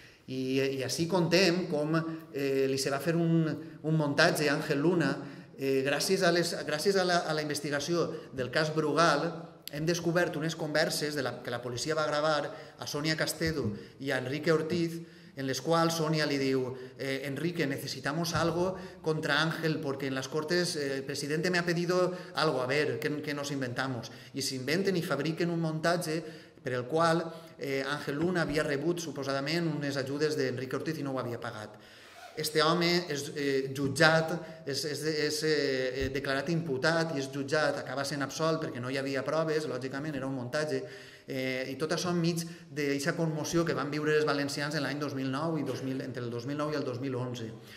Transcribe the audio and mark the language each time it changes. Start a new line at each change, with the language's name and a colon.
Catalan: I així contem com li se va fer un muntatge a Àngel Luna. Gràcies a la investigació del cas Brugal hem descobert unes converses que la policia va gravar a Sonia Castedo i a Enrique Ortiz en les quals Sonia li diu
Spanish: Enrique, necesitamos algo contra Ángel porque en las Cortes el presidente me ha pedido algo, a ver, ¿qué nos inventamos?
Catalan: I s'inventen i fabriquen un muntatge per el qual Ángel Luna havia rebut suposadament unes ajudes d'Enrique Ortiz i no ho havia pagat. Este home és jutjat, declarat imputat i és jutjat, acaba sent absolt perquè no hi havia proves, lògicament era un muntatge, i tot això enmig d'aquesta commoció que van viure els valencians en l'any 2009 i 2000, entre el 2009 i el 2011.